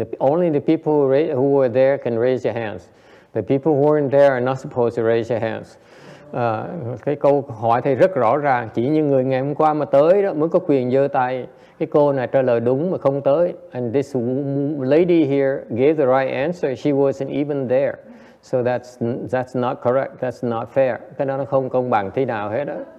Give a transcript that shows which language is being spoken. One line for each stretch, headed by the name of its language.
English: Only the people who were there can raise your hands. The people who weren't there are not supposed to raise your hands.
Vietnamese: Cái câu hỏi thầy rất rõ ràng, chỉ những người ngày hôm qua mà tới đó mới có quyền giơ tay. Cái cô này trả lời đúng mà không tới.
English: And this lady here gave the right answer, she wasn't even there. So that's not correct, that's not fair.
Vietnamese: Cái đó nó không công bằng thế nào hết đó.